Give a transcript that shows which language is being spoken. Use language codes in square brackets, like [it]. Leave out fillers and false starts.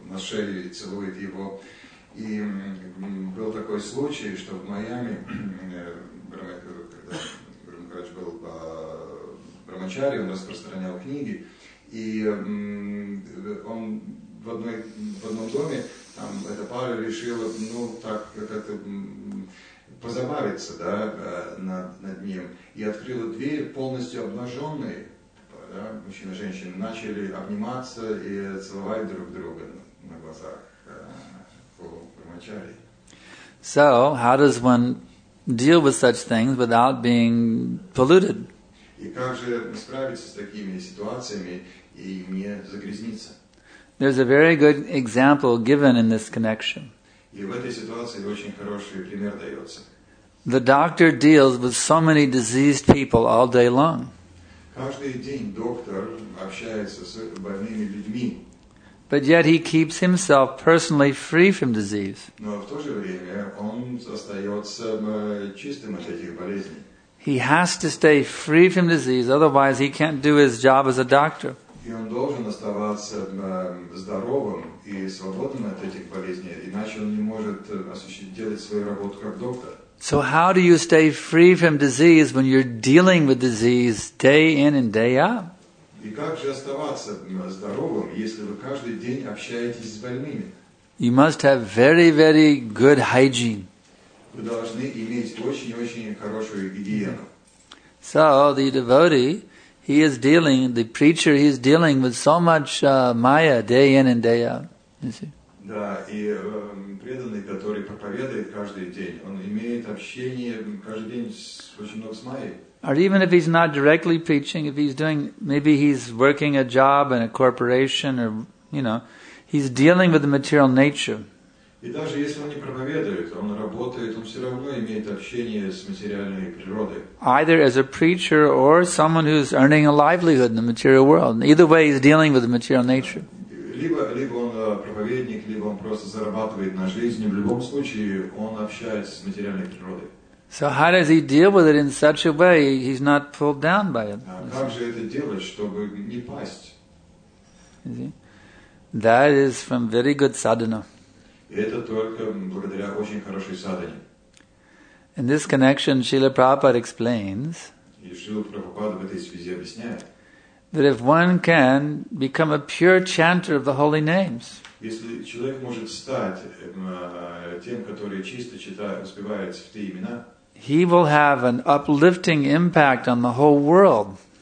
[ru] на шею и целует его. И был такой случай, что в Майами, когда Брамакарач был по Брамачари, он распространял книги, и он в одном доме, там эта пара решила, ну, так как это позабавиться, да, над ним, и открыла дверь полностью обнаженной, да, мужчина и женщина начали обниматься и целовать друг друга на глазах у Брамачари. [en] So, how does one deal with such things without being polluted? [ru] И как же справиться с такими ситуациями и не загрязниться? [en] There's a very good example given in this connection. [ru] И в этой ситуации очень хороший пример дается. [en] The doctor deals with so many diseased people all day long. [ru] Каждый день доктор общается с больными людьми. [en] But yet he keeps himself personally free from disease. [ru] Но в то же время он остается чистым от этих болезней. [en] He has to stay free from disease, otherwise he can't do his job as a doctor. [ru] И он должен оставаться здоровым и свободным от этих болезней, иначе он не может делать свою работу как доктор. [en] So how do you stay free from disease when you're dealing with disease day in and day out? [ru] И как же оставаться здоровым, если вы каждый день общаетесь с больными? [en] You must have very, very good hygiene. [ru] Вы должны иметь очень-очень хорошую гигиену. [en] So the devotee, he is dealing, the preacher, he is dealing with so much maya day in and day out. You see? [ru] Да, и преданный, который проповедует каждый день, он имеет общение каждый день с очень много с майей. [en] Or even if he's not directly preaching, if he's doing, maybe he's working a job in a corporation, or, you know, he's dealing with the material nature. [ru] И даже если он не проповедует, он работает, он все равно имеет общение с материальной природой. [en] Either as a preacher or someone who's earning a livelihood in the material world. Either way, he's dealing with the material nature. [ru] Либо он проповедник, либо он просто зарабатывает на жизнь. В любом случае, он общается с материальной природой. [en] So how does he deal with it in such a way he's not pulled down by it? [ru] Как же это делать, чтобы не пасть? [en] That is from very good sadhana. [ru] Это только благодаря очень хорошей садхане. [en] In this connection, Srila Prabhupada explains. [ru] И Шрила Прабхупада в этой связи объясняет. [en] That if one can become a pure chanter of the holy names. [ru] Если человек может стать тем, который чисто читает, успевает святые имена. [en] He will have an uplifting impact on the whole world.